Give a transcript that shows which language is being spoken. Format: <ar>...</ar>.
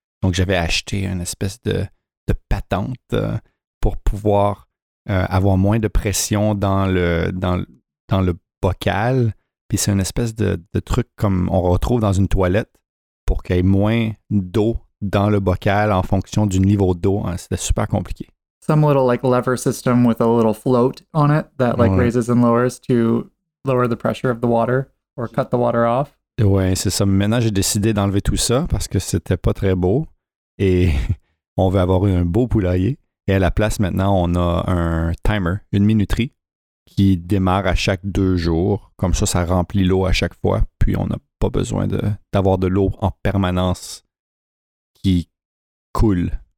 <fr>Donc, j'avais acheté une espèce de patente pour pouvoir avoir moins de pression dans le bocal. Puis c'est une espèce de truc comme on retrouve dans une toilette pour qu'il y ait moins d'eau dans le bocal en fonction du niveau d'eau. Hein. C'était super compliqué.</fr> <en>Some little like lever system with a little float on it that like ouais. Raises and lowers to lower the pressure of the water or cut the water off.</en> <fr>Ouais, c'est ça. Maintenant, j'ai décidé d'enlever tout ça parce que c'était pas très beau et on veut avoir un beau poulailler. Et à la place, maintenant, on a un timer, une minuterie qui démarre à chaque deux jours. Comme ça, ça remplit l'eau à chaque fois. Puis on n'a pas besoin d'avoir de l'eau en permanence qui coule.</fr>